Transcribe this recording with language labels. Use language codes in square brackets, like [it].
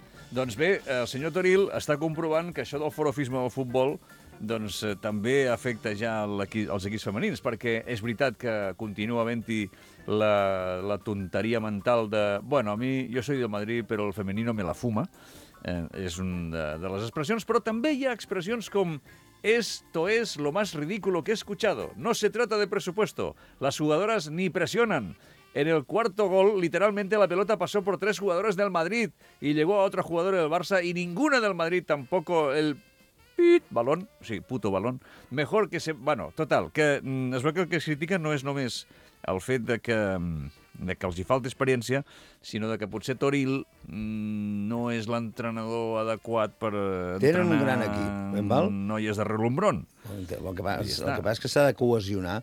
[ca] Doncs bé, el senyor Toril està comprovant que això del forofisme del futbol doncs també afecta ja els equips femenins, perquè és veritat que continua havent-hi la tonteria mental de... Bueno, a mi, jo soy del Madrid, però el femení [es] no me la fuma. [ca] És una de les expressions, però també hi ha expressions com... [es] Esto es lo más ridículo que he escuchado. No se trata de presupuesto. Las jugadoras ni presionan. En el cuarto gol, literalmente, la pelota pasó por tres jugadores del Madrid y llegó a otro jugador del Barça y ninguna del Madrid tampoco el... balón, sí, puto balón, mejor que se... [ca] Bueno, total, que es veu que el que critiquen no és només el fet de que els hi falta experiència, sinó de que potser Toril no és l'entrenador adequat per entrenar... Tenen un gran equip, val? Noies de relumbron. El que passa és que s'ha de cohesionar.